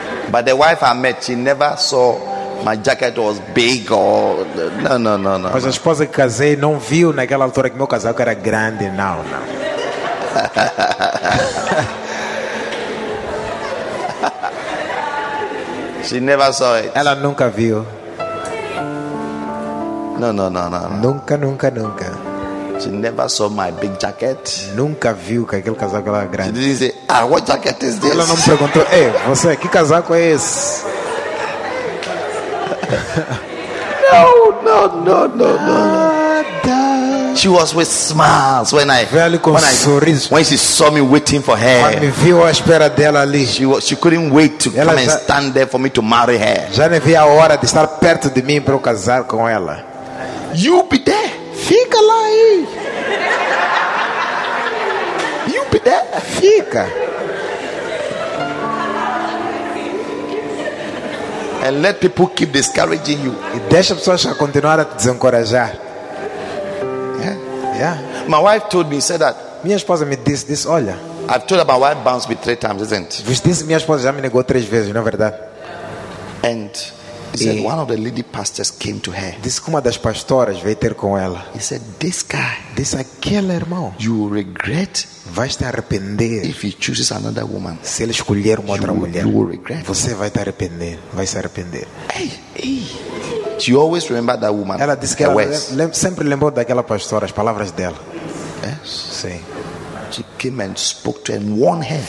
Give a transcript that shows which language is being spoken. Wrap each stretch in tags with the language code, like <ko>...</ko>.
<en>But the wife I met, she never saw my jacket was big or no.</en> <pt>Mas a esposa que casei não viu naquela altura que meu casaco era grande, não.</pt> <en>She never saw it.</en> <pt>Ela nunca viu.</pt> <en>No.</en> <pt>Nunca.</pt> <en>She never saw my big jacket.</en> <pt>Nunca viu que aquele casaco era grande.</pt> <en>She didn't say, ah, what jacket is this?</en> <pt>Ela não perguntou, ei, você, que casaco é esse?</pt> <en>No. She was with smiles when she saw me waiting for her.</en> <pt>Me viu à espera dela ali.</pt> <en>She couldn't wait to</en> <pt>ela</pt> <en>come</en> <pt>já,</pt> <en>and stand there for me to marry her.</en> <pt>Já não via a hora de estar perto de mim para casar com ela.</pt> <en>You be there.</en> <pt>Fica lá aí.</pt> <en>You be there.</en> <pt>Fica.</pt> <en>And let people keep discouraging you.</en> <pt>E deixa as pessoas continuar a te desencorajar.</pt> <en>Yeah. My wife told me, said that.</en> <pt>Minha esposa me disse, olha.</pt> <en>I've told about my wife bounced me 3 times, isn't it?</en> <pt>Vos disse, minha esposa já me negou 3 vezes, não é verdade?</pt> <en>And he said one of the lady pastors came to her.</en> <pt>Disse que uma das pastoras veio ter com ela.</pt> <en>He said this guy, this</en> <pt>aquele irmão,</pt> <en>you will regret,</en> <pt>vai te arrepender.</pt> <en>If he chooses another woman,</en> <pt>se ele escolher uma outra mulher,</pt> <en>you will regret.</en> <pt>Você vai te arrepender, vai se arrepender.</pt> <en>Hey. She always remembered that woman.</en> <pt>Ela disse que ela sempre lembrou daquela pastora, as palavras dela.</pt> <en>Yes.</en> <pt>Sim.</pt> <en>She came and spoke to him, warned him.</en>